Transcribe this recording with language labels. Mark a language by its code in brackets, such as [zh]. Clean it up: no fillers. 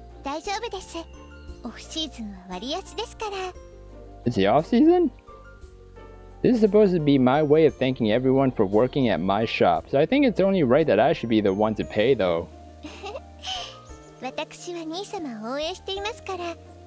[ja] 大丈夫です。オフシーズンは割安ですから。 [en] It's the off-season? This is supposed to be my way of thanking everyone for working at my shop, so I think it's only right that I should be the one to pay, though. [ja] 私は兄様を応援していますから。